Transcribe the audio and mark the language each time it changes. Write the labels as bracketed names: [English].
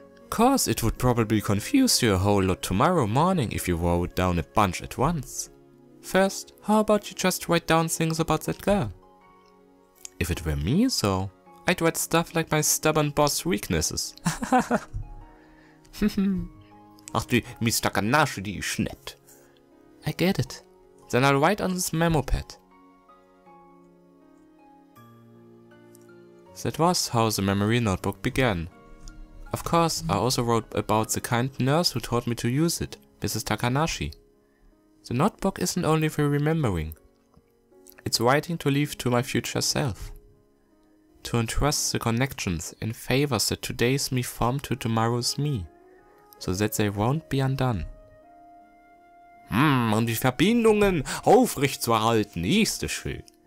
[English] Course, it would probably confuse you a whole lot tomorrow morning if you wrote down a bunch at once. First, how about you just write down things about that girl? If it were me, so, I'd write stuff like my stubborn boss weaknesses. [German] Ach, die Miss Takanashi, die ist nett. [English] I get it. Then I'll write on this memo pad. That was how the memory notebook began. Of course, I also wrote about the kind nurse who taught me to use it, Mrs. Takanashi. The notebook isn't only for remembering. It's writing to leave to my future self. To entrust the connections and favors that today's me form to tomorrow's me, so that they won't be undone. [German] Um die Verbindungen aufrecht zu erhalten, ist es schön.